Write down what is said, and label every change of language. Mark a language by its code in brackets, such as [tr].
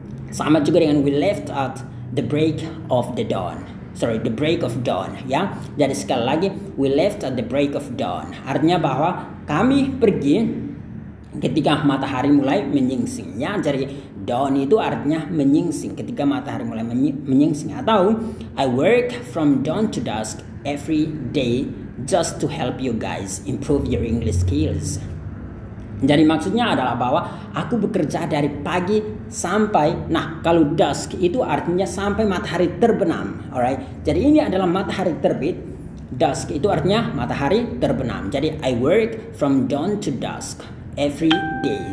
[id] Sama juga dengan [en] we left at the break of the dawn. Sorry, the break of dawn ya. [id] Jadi sekali lagi, [en] we left at the break of dawn. [id] Artinya bahwa kami pergi ketika matahari mulai menyingsing ya. Jadi dawn itu artinya menyingsing, ketika matahari mulai menyingsing. Atau [en] I work from dawn to dusk every day just to help you guys improve your English skills. [id] Jadi maksudnya adalah bahwa aku bekerja dari pagi sampai, nah kalau dusk itu artinya sampai matahari terbenam, alright. Jadi ini adalah matahari terbit, dusk itu artinya matahari terbenam. Jadi [en] I work from dawn to dusk every day.